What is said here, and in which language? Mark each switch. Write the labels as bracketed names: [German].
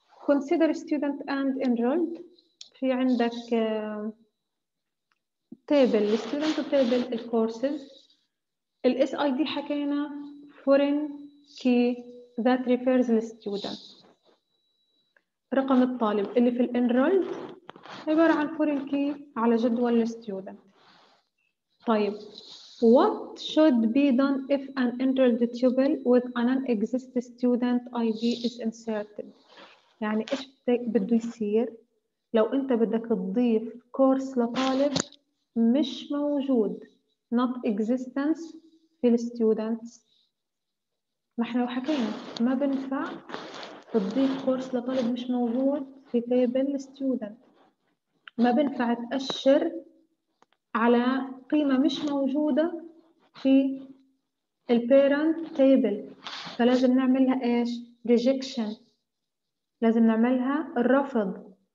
[English] Consider student and enrolled. [Arabic] في عندك [English] table the student table the courses. The SID [Arabic] حكينا [English] foreign key that refers the student. [Arabic] رقم الطالب اللي في enrolled عبارة عن foreign key على جدول the student. [English] طيب What should be done if an enrolled tuple with an unexisting student ID is inserted? [Arabic] يعني إيش بده يصير لو أنت بدك تضيف كورس لطالب مش موجود [English] not existence [Arabic] في الستودنتس؟ ما إحنا وحكينا ما بنفع تضيف كورس لطالب مش موجود في تيبل الستودنت، ما بنفع تأشر على قيمة مش موجودة في البيرنت تيبل، فلازم نعملها ايش؟ ريجكشن، لازم نعملها الرفض.